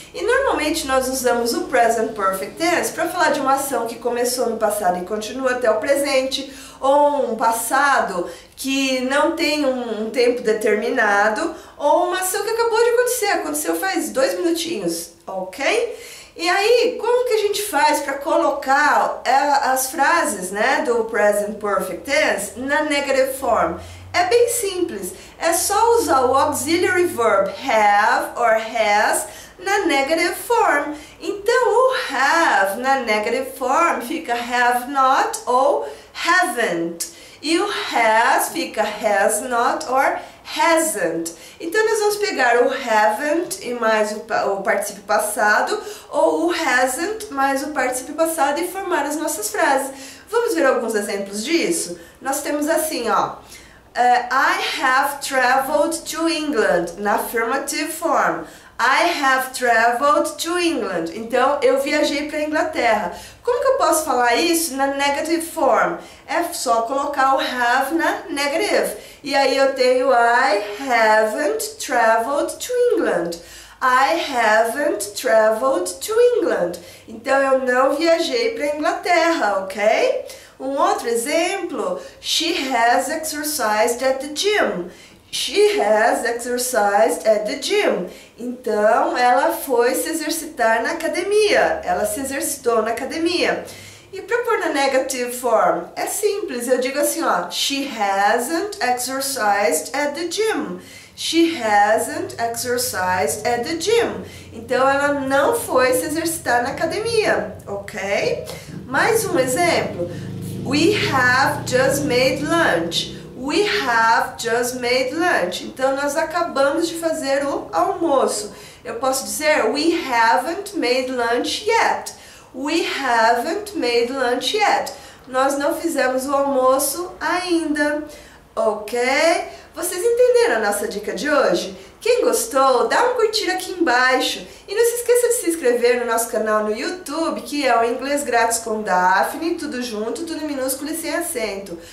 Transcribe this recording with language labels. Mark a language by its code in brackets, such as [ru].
[pt] E normalmente nós usamos o present perfect tense para falar de uma ação que começou no passado e continua até o presente, ou um passado que não tem um tempo determinado, ou uma ação que acabou de acontecer, aconteceu faz 2 minutinhos. Ok? E aí, como que a gente faz para colocar as frases, né, do present perfect tense na negative form? É bem simples. É só usar o [en] auxiliary verb have or has [pt] na negative form. Então, o have na negative form fica have not ou haven't. E o has fica [en] has not or hasn't. [pt] Então, nós vamos pegar o haven't e mais o participio passado, ou o hasn't mais o participio passado e formar as nossas frases. Vamos ver alguns exemplos disso? Nós temos assim, ó. [en] I have traveled to England, na affirmative form. I have traveled to England. [pt] Então, eu viajei para a Inglaterra. Como que eu posso falar isso na negative form? É só colocar o have na negative. E aí eu tenho [en] I haven't traveled to England. I haven't traveled to England. [pt] Então, eu não viajei para a Inglaterra, ok? Um outro exemplo. [en] She has exercised at the gym. She has exercised at the gym. [pt] Então, ela foi se exercitar na academia. Ela se exercitou na academia. E para pôr na negative form? É simples. Eu digo assim, ó. [en] She hasn't exercised at the gym. She hasn't exercised at the gym. [pt] Então, ela não foi se exercitar na academia. [en] Ok? [pt] Mais um exemplo. [en] We have just made lunch. We have just made lunch. [pt] Então, nós acabamos de fazer o almoço. Eu posso dizer, [en] we haven't made lunch yet. We haven't made lunch yet. [pt] Nós não fizemos o almoço ainda. Ok? Vocês entenderam a nossa dica de hoje? Quem gostou, dá um curtir aqui embaixo. E não se esqueça de se inscrever no nosso canal no YouTube, que é o Inglês Grátis com Daphne, tudo junto, tudo em minúsculo e sem acento.